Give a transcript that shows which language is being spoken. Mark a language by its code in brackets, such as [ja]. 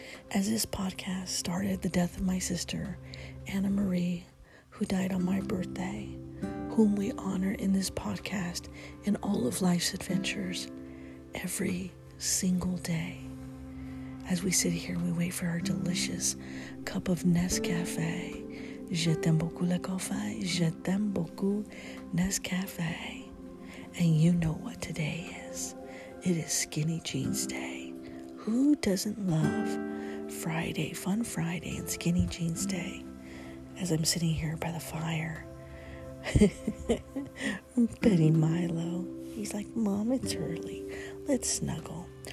[en] As this podcast started, the death of my sister, Anna Marie, who died on my birthday, whom we honor in this podcast and all of life's adventures every single day. As we sit here and we wait for our delicious cup of Nescafe. [fr] Je t'aime beaucoup le café. Je t'aime beaucoup Nescafe. [en] And you know what today is. It is Skinny Jeans Day. Who doesn't love Friday, Fun Friday, and Skinny Jeans Day? As I'm sitting here by the fire, Betty Milo, he's like, Mom, it's early, let's snuggle.